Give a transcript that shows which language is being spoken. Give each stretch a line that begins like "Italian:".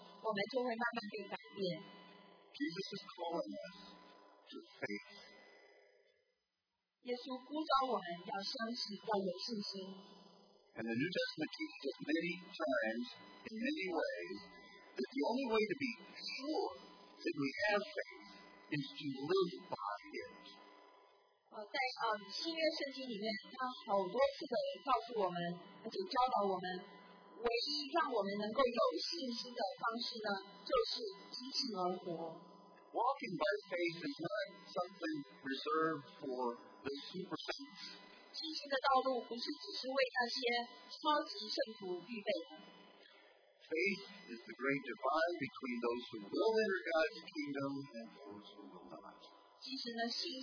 Chinese: 当我们老注视在这个所不见的事情的时候，我们就会慢慢被改变。
English: Jesus is calling us to faith.
Chinese: 耶稣呼召我们要相信，要有信心。
English: And the New Testament teaches us many times, in many ways, that the only way to be sure that we have faith is to live by it.
Chinese: 在新约圣经里面，他好多次的告诉我们，而且教导我们，唯一让我们能够有信心的方式呢，就是因信而活。
English: Walking by faith is not something reserved for the super saints.
Chinese: 信心的道路不是只是为那些超级圣徒预备的。
English: Faith is the great divide between those who will enter God's kingdom and those who will not.